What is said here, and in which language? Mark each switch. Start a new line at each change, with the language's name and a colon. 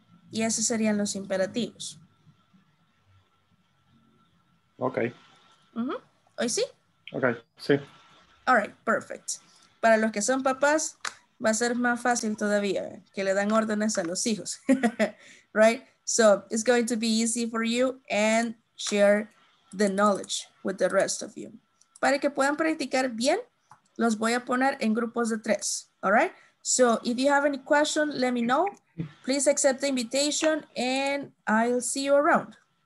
Spanish: Y esos serían los imperativos. Ok. Ajá. ¿Hoy sí? Ok, sí.
English: All right, perfect.
Spanish: Para los que son papás, va a ser más fácil todavía, que le dan órdenes a los hijos.
English: Right? So, it's going to be easy for you and share the knowledge with the rest of you.
Spanish: Para que puedan practicar bien, los voy a poner en grupos de tres.
English: All right? So, if you have any question, let me know. Please accept the invitation and I'll see you around.